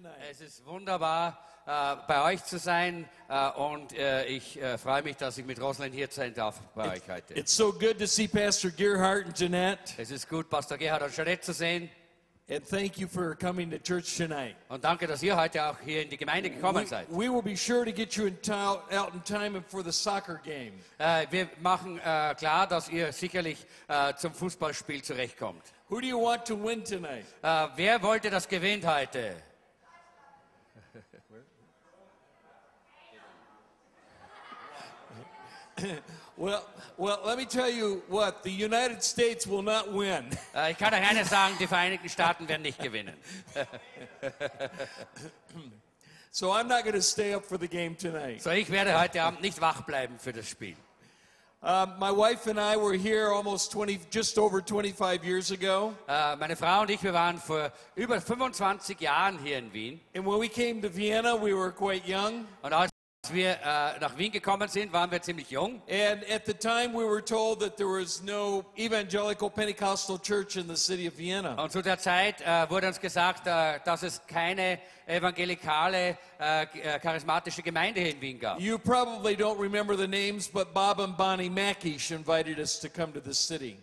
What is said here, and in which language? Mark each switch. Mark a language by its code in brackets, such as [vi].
[de] Es ist wunderbar, bei euch zu sein, und ich freue mich, dass ich mit Roslyn hier sein darf bei euch heute. [en] It's so good to see Pastor Gerhard and Jeanette. [de] Es ist gut, Pastor Gerhard und Jeanette zu sehen. [en] And thank you for coming to church tonight. [de] Und danke, dass ihr heute auch hier in die Gemeinde gekommen seid. [en] We will be sure to get you out in time for the soccer game. [de] Wir machen klar, dass ihr sicherlich zum Fußballspiel zurechtkommt. [en] Who do you want to win tonight? [de] Wer wollte das gewinnt heute? [en] Well, let me tell you what, the United States will not win. [de] Ich kann euch eines sagen, die Vereinigten Staaten werden nicht gewinnen. [en] So I'm not going to stay up for the game tonight. [de] So ich werde heute Abend nicht wach bleiben für das Spiel. [en] My wife and I were here just over 25 years ago. [de] Meine Frau und ich, wir waren vor über 25 Jahren hier in Wien. [en] And when we came to Vienna, we were quite young. [de] Und als wir nach Wien gekommen sind, waren wir ziemlich jung. [en] And at the time we were told that there was no evangelical Pentecostal church in the city of Vienna. [de] Und zu der Zeit wurde uns gesagt, dass es keine evangelikale charismatische Gemeinde in Wien gab. [en] You probably don't remember the names, but Bob and Bonnie Mackish invited us to come to the city.